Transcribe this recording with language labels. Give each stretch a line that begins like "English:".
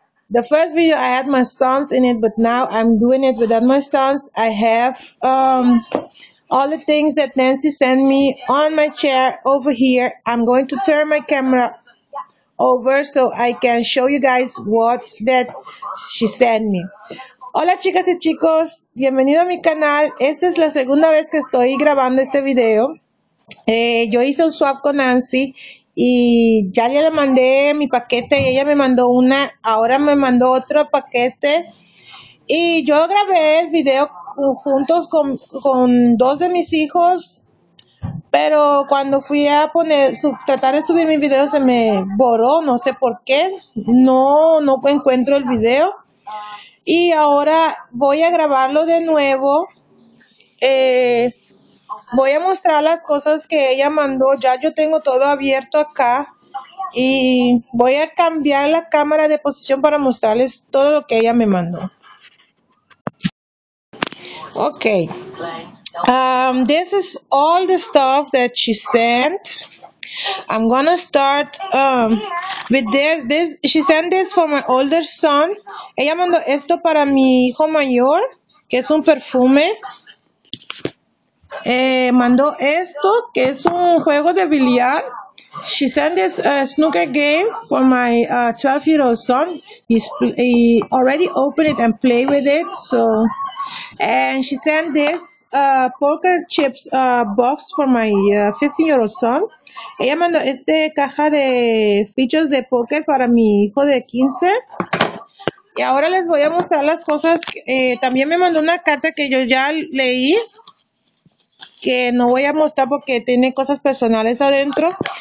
English: The first video I had my sons in it, but now I'm doing it without my sons. I have all the things that Nancy sent me on my chair over here. I'm going to turn my camera over so I can show you guys what that she sent me.
Spanish: Hola chicas y chicos, bienvenido a mi canal. Esta es la segunda vez que estoy grabando este video. Yo hice un swap con Nancy y ya le mandé mi paquete y ella me mandó una. Ahora me mandó otro paquete y yo grabé el video juntos con dos de mis hijos, pero cuando fui a tratar de subir mi video se me borró, no sé por qué, no encuentro el video. Y ahora voy a grabarlo de nuevo. Voy a mostrar las cosas que ella mandó. Ya yo tengo todo abierto acá. Y voy a cambiar la cámara de posición para mostrarles todo lo que ella me mandó.
English: Ok. This is all the stuff that she sent. I'm gonna start with this. She sent this for my older son.
Spanish: Ella mandó esto para mi hijo mayor, que es un perfume. Mandó esto, que es un juego de billar.
English: She sent this snooker game for my 12-year-old son. He already opened it and play with it. So, and she sent this poker chips box for my 15-year-old son.
Spanish: Ella mandó este caja de fichas de póker para mi hijo de 15. Y ahora les voy a mostrar las cosas. También me mandó una carta que yo ya leí, que no voy a mostrar porque tiene cosas personales adentro.